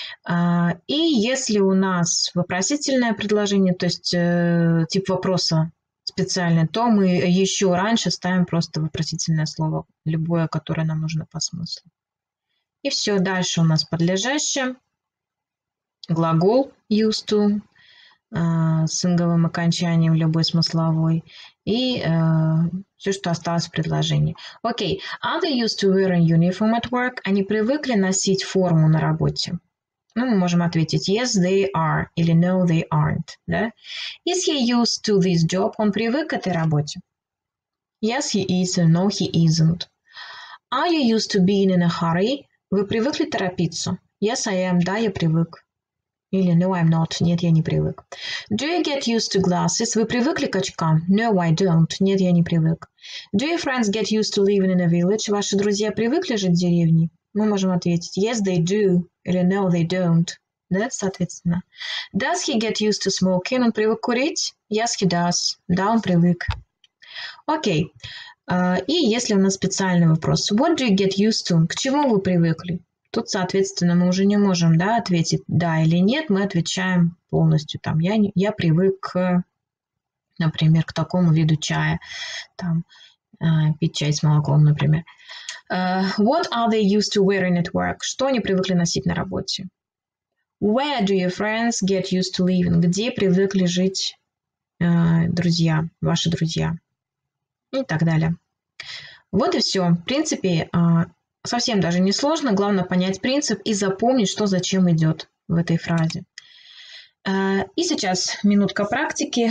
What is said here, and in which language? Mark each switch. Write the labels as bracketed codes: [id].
[ru] И если у нас вопросительное предложение, то есть тип вопроса специальный, то мы еще раньше ставим просто вопросительное слово, любое, которое нам нужно по смыслу. И все, дальше у нас подлежащее, глагол used to, с инговым окончанием любой смысловой, и все, что осталось в предложении. Окей. [en] Are they used to wearing uniform at work? [ru] Они привыкли носить форму на работе? Ну, мы можем ответить [en] yes, they are, [ru] или [en] no, they aren't. [ru] Да? [en] Is he used to this job? [ru] Он привык к этой работе? [en] Yes, he is, no, he isn't. Are you used to being in a hurry? [ru] Вы привыкли торопиться? [en] Yes, I am, [ru] да, я привык. Или [en] no, I'm not. [ru] Нет, я не привык. [en] Do you get used to glasses? [ru] Вы привыкли к очкам? [en] No, I don't. [ru] Нет, я не привык. [en] Do your friends get used to living in a village? [ru] Ваши друзья привыкли жить в деревне? Мы можем ответить [en] yes, they do. [ru] Или [en] no, they don't. [ru] Да, соответственно. [en] Does he get used to smoking? [ru] Он привык курить? [en] Yes, he does. [ru] Да, он привык. Окей. И если у нас специальный вопрос. [en] What do you get used to? [ru] К чему вы привыкли? Тут, соответственно, мы уже не можем, да, ответить да или нет, мы отвечаем полностью. Там, я привык, к, например, к такому виду чая, там, пить чай с молоком, например. [en] What are they used to wearing at work? [ru] Что они привыкли носить на работе? [en] Where do your friends get used to living? [ru] Где привыкли жить друзья, ваши друзья? И так далее. Вот и все. В принципе, совсем даже не сложно, главное понять принцип и запомнить, что зачем идет в этой фразе. И сейчас минутка практики.